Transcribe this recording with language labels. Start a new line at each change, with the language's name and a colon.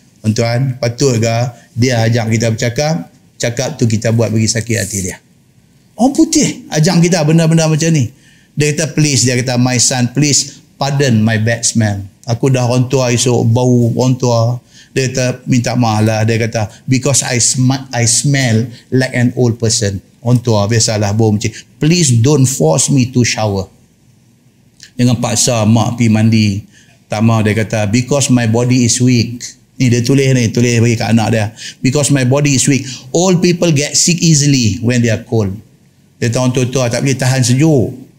Malay: Tuan-tuan, patut ke dia ajak kita bercakap? Cakap tu kita buat bagi sakit hati dia. Orang putih ajak kita benda-benda macam ni. Dia kata, please. Dia kata,
English: my son, please pardon my bad smell.
Malay: Aku dah orang tua esok, bau orang tua. Dia kata, minta maaf lah. Dia kata,
English: because I smell like an old person.
Malay: Orang tua, biasalah bau macam ni.
English: Please don't force me to shower.
Malay: Jangan paksa mak pergi mandi. Tak mahu, dia kata,
English: because my body is weak.
Malay: Ni dia tulis ni, tulis bagi kat anak dia.
English: Because my body is weak. Old people get sick easily when they are cold.
Malay: Dia tahu tua-tua tak boleh tahan sejuk.